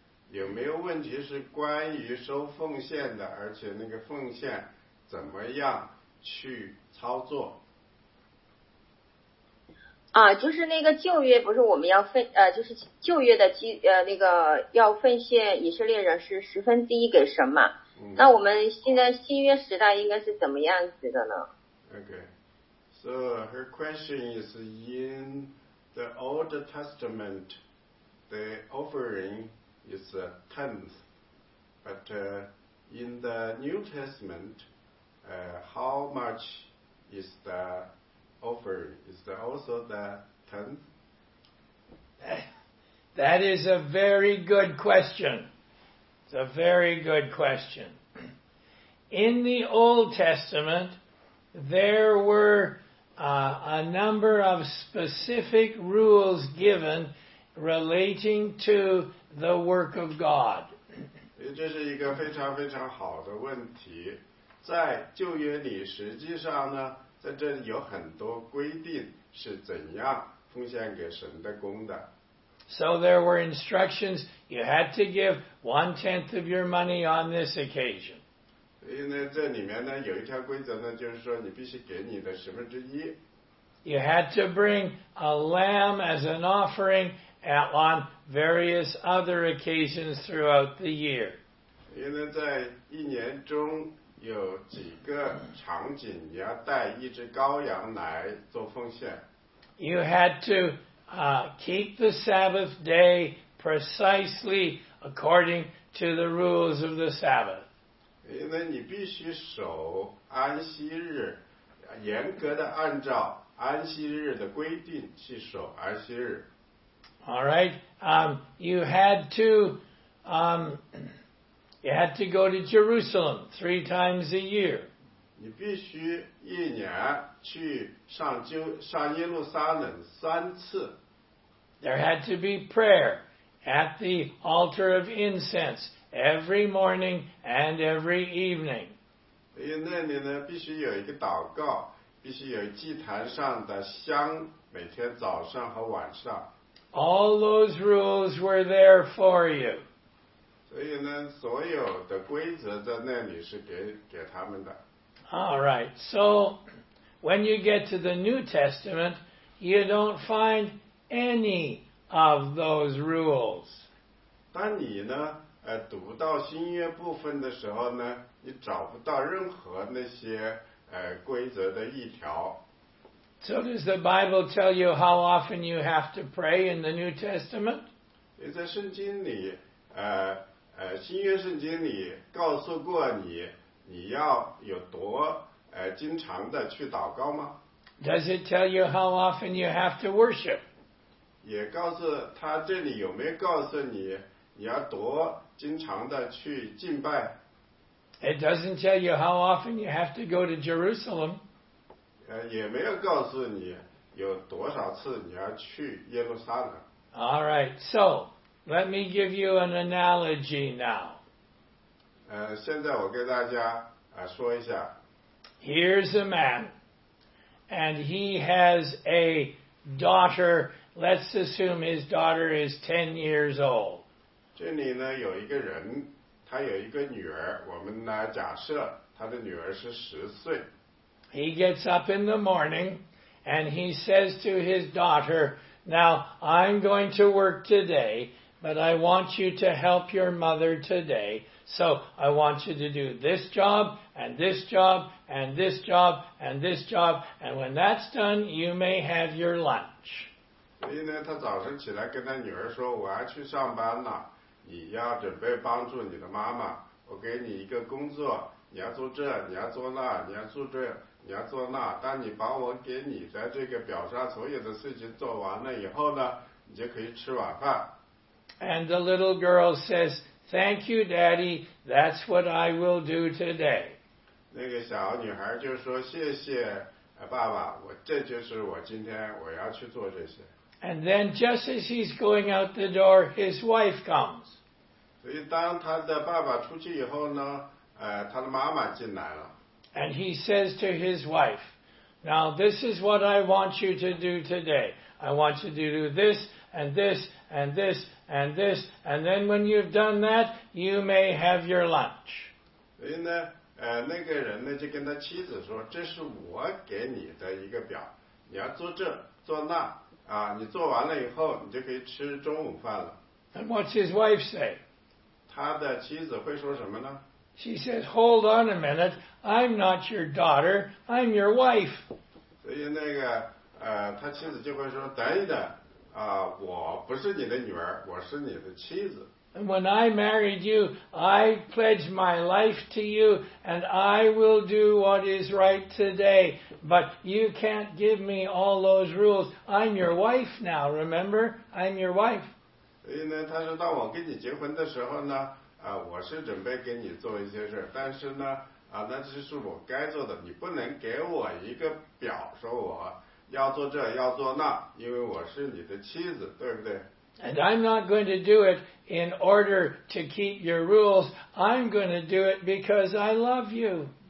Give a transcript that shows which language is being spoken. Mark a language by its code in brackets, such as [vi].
[zh] 有没有问题是关于收奉献的，而且那个奉献怎么样去操作？啊，就是那个旧约不是我们要分就是旧约的那个要奉献以色列人是十分之一给神嘛？那我们现在新约时代应该是怎么样子的呢？ [en] OK。 So her question is, in the Old Testament, the offering is a tenth, but in the New Testament, how much is the offering? Is that also the tenth? That is a very good question. It's a very good question. In the Old Testament, there were a number of specific rules given relating to the work of God. [zh] 这是一个非常非常好的问题。在旧约里实际上呢，在这里有很多规定是怎样奉献给神的功的。 [en] So there were instructions, you had to give one-tenth of your money on this occasion. [zh] 所以呢，这里面呢有一条规则呢，就是说你必须给你的十分之一。 [en] You had to bring a lamb as an offering at on various other occasions throughout the year. [zh] 因为在一年中有几个场景，你要带一只羔羊来做奉献。 [en] You had to keep the Sabbath day precisely according to the rules of the Sabbath. [zh] 因为你必须守安息日，严格的按照安息日的规定去守安息日。 [en] All right, you had to go to Jerusalem 3 times a year. [zh] 你必须一年去上耶路撒冷三次。 [en] There had to be prayer at the altar of incense every morning and every evening. [zh] 因为那里呢，必须有一个祷告，必须有祭坛上的香，每天早上和晚上。 [en] All those rules were there for you. [zh] 所以呢，所有的规则在那里是给他们的。 [en] All right. So when you get to the New Testament, you don't find any of those rules. [zh] 当你呢，读到新约部分的时候呢，你找不到任何那些规则的一条。 [en] So does the Bible tell you how often you have to pray in the New Testament? [zh] 在圣经里，新约圣经里告诉过你，你要有多经常的去祷告吗？ [en] Does it tell you how often you have to worship? [zh] 也告诉他这里有没有告诉你，你要多经常的去敬拜？ [en] It doesn't tell you how often you have to go to Jerusalem. [zh] 也没有告诉你有多少次你要去耶路撒冷。 [en] All right, so let me give you an analogy now. [zh] 现在我给大家说一下。 [en] Here's a man, and he has a daughter. Let's assume his daughter is 10 years old. [zh] 这里呢有一个人，他有一个女儿，我们呢假设他的女儿是十岁。 [en] He gets up in the morning and he says to his daughter, Now I'm going to work today, but I want you to help your mother today. So I want you to do this job and this job and this job and this job. And when that's done, you may have your lunch. [zh] 所以呢，他早晨起来跟他女儿说，我要去上班了，你要准备帮助你的妈妈，我给你一个工作，你要做这，你要做那，你要做这。你要做那，当你把我给你的这个表上所有的事情做完了以后呢，你就可以吃晚饭。 [en] And the little girl says, "Thank you, Daddy. That's what I will do today." [zh] 那个小女孩就说：“谢谢，爸爸，我这就是我今天我要去做这些。” [en] And then, just as he's going out the door, his wife comes. [zh] 所以当他的爸爸出去以后呢，他的妈妈进来了。 [en] And he says to his wife, Now this is what I want you to do today. I want you to do this and this and this and this. And then when you've done that, you may have your lunch. [zh] 所以呢，那个人呢就跟他妻子说，这是我给你的一个表，你要做这做那啊，你做完了以后，你就可以吃中午饭了。 [en] And what's his wife say? [zh] 他的妻子会说什么呢？ [en] She says, hold on a minute, I'm not your daughter, I'm your wife. [zh] 所以那个他妻子就会说，等一等我不是你的女儿，我是你的妻子。 [en] And when I married you, I pledged my life to you, and I will do what is right today. But you can't give me all those rules. I'm your wife now, remember? I'm your wife. [zh] 所以呢，他说当我跟你结婚的时候呢，我是准备给你做一些事，但是呢，那这是我该做的，你不能给我一个表，说我要做这，要做那，因为我是你的妻子，对不对？ [en] And I'm not going to do it in order to keep your rules. I'm going to do it because I love you.